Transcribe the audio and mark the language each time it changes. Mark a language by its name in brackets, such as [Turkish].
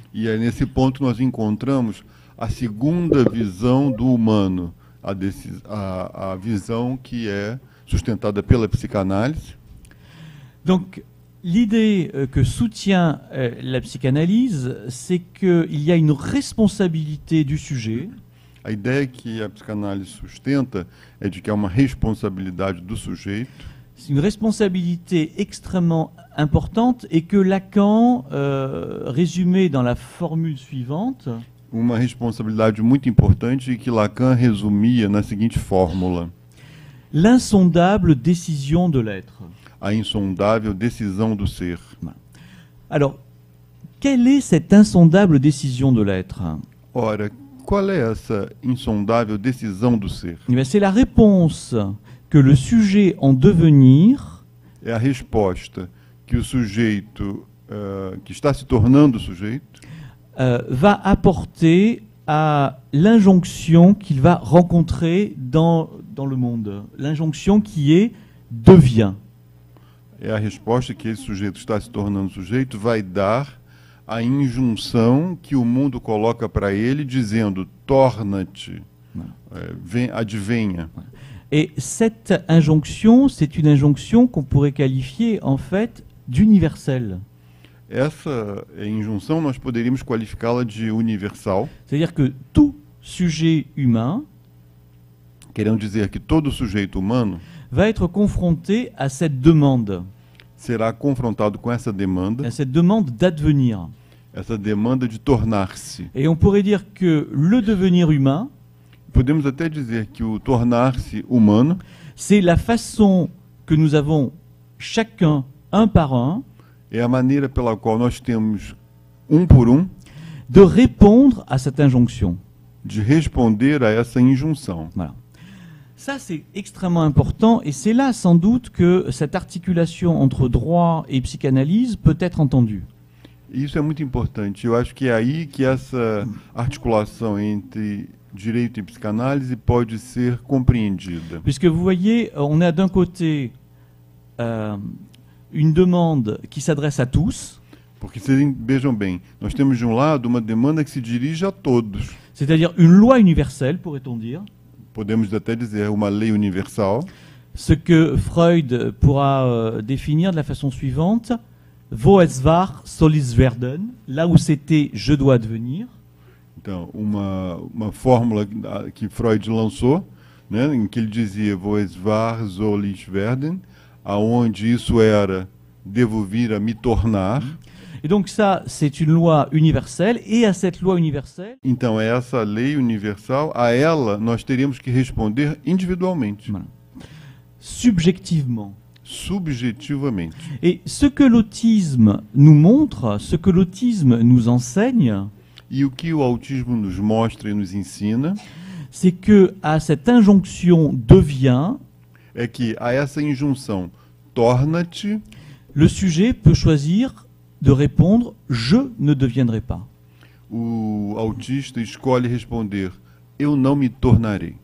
[French] Et à ce point, nous rencontrons la seconde vision du humain, la vision qui est sustentada par la psychanalyse. Donc, l'idée que soutient la psychanalyse, c'est qu'il y a une responsabilité du sujet. [Portuguese] A ideia que a psicanálise sustenta é de que há uma responsabilidade do sujeito. [French] C'est une responsabilité extrêmement importante et que Lacan résumait dans la formule suivante. [Portuguese] Uma responsabilidade muito importante que Lacan resumia na seguinte fórmula. [French] L'insondable décision de l'être. [Portuguese] A insondável decisão do ser. [French] Alors, quelle est cette insondable décision de l'être? [Portuguese] Ora, qual é essa insondável decisão do ser? [French] C'est la réponse que le sujet en devenir. [Portuguese] É a resposta que o sujeito que está se tornando sujeito [French] va apporter à l'injonction qu'il va rencontrer dans le monde. L'injonction qui est devient. [Portuguese] É a resposta que esse sujeito está se tornando sujeito, vai dar a injunção que o mundo coloca para ele, dizendo, torna-te, advenha. E essa injunção, [French] c'est une injonction qu'on pourrait qualifier, en fait, d'universelle. [Portuguese] Essa injunção nós poderíamos qualificá-la de universal. [French] C'est-à-dire que tout sujet humain, [Portuguese] querendo dizer que todo sujeito humano, vai [French] être confronté à cette demande. [Portuguese] Será confrontado com essa demanda. Essa demanda [French] d'advenir. [Portuguese] Essa demanda de tornar-se. [French] E on pourrait dire que le devenir humain. [Portuguese] Podemos até dizer que o tornar-se humano. [French] C'est la façon que nous avons chacun, un par un. [Portuguese] É a maneira pela qual nós temos, um por um. [French] De répondre à cette injonction. [Portuguese] De responder a essa injunção. [French] Voilà. Ça, c'est extrêmement important, et c'est là, sans doute, que cette articulation entre droit et psychanalyse peut être entendue. [Portuguese] Isso é muito importante. Eu acho que é aí que essa articulação entre direito e psicanálise pode ser compreendida. [French] Puisque vous voyez, on a d'un côté une demande qui s'adresse à tous. [Portuguese] Porque vocês vejam bem, nós temos de um lado uma demanda que se dirige a todos. [French] C'est-à-dire une loi universelle, pourrait-on dire. [Portuguese] Podemos até dizer uma lei universal. [French] Ce que Freud pourra définir de la façon suivante. [German] Wo es war, soll es werden. [French] Là où c'était, je dois devenir. [Portuguese] Então, uma fórmula que Freud lançou, né, em que ele dizia [German] Wo es war, soll es werden. [Portuguese] Aonde isso era, devo vir a me tornar. [French] Et donc ça, c'est une loi universelle. Et à cette loi universelle... [Portuguese] Então, essa lei universal, a ela, nós teríamos que responder individualmente. [French] Voilà. Subjectivement. [Portuguese] Subjetivement. [French] Et ce que l'autisme nous montre, ce que l'autisme nous enseigne, [Portuguese] e o que o autismo nos mostra e nos ensina, [French] c'est que à cette injonction devient, [Portuguese] é que à essa injunção torna-te, [French] le sujet peut choisir de répondre je ne deviendrai pas. [Portuguese] O autista escolhe responder eu não me tornarei.